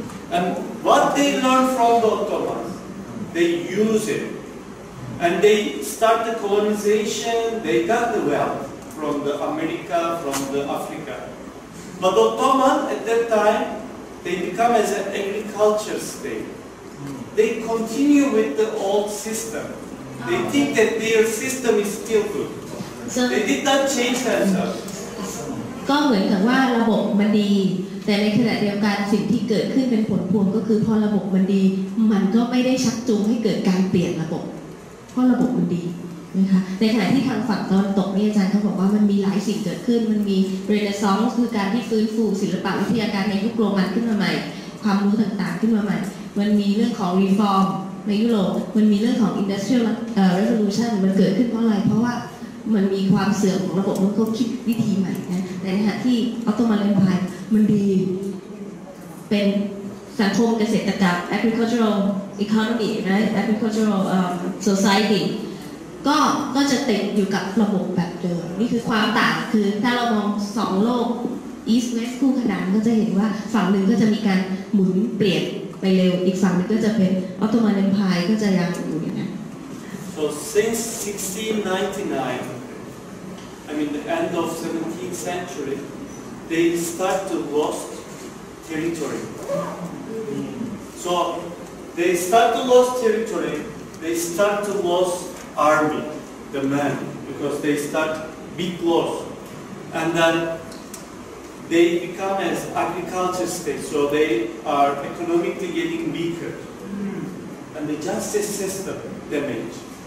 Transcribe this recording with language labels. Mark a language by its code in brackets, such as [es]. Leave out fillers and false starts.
[en] and what they learn from the Ottomans they use it and they start the colonization they got the wealth from the America from the Africa but Ottoman at that time they become as an agriculture state they continue with the old system they think that their system is still good so they did not change themselves [th] ก็เหมือนกับว่าระบบมันดีแต่ในขณะเดียวกันสิ่งที่เกิดขึ้นเป็นผลพวงก็คือพอระบบมันดีมันก็ไม่ได้ชักจูงให้เกิดการเปลี่ยนระบบ เพราะระบบมันดีนะคะในขณะที่ทางฝั่งตอนตกนี่อาจารย์เขาบอกว่ามันมีหลายสิ่งเกิดขึ้นมันมีเรเนซองส์คือการที่ฟื้นฟูศิลปวิทยาการในยุคโรมันขึ้นมาใหม่ความรู้ต่างๆขึ้นมาใหม่มันมีเรื่องของรีฟอร์มในยุโรปมันมีเรื่องของอินดัสทรีเรฟลูชันมันเกิดขึ้นเพราะอะไรเพราะว่ามันมีความเสื่อมของระบบมันก็คิดวิธีใหม่นะแต่ในขณะที่ออตโตมันเอมไพร์มันดี เป็นสังคมเกษตรกรรม [en] agricultural economy right agricultural society [th] ก็จะติดอยู่กับระบบแบบเดิมนี่คือความต่างคือถ้าเรามองสองโลก east west คู่ขนานก็จะเห็นว่าฝั่งหนึ่งก็จะมีการหมุนเปลี่ยนไปเร็วอีกฝั่งนึงก็จะเป็นออตโตมันเอมไพร์ก็จะยังอยู่อย่างนั้น [en] so since 1699 I mean the end of 17th century they start to lost territory so they start to lost territory they start to lost army the men because they start big loss and then they become as agriculture state so they are economically getting weaker and the justice system damaged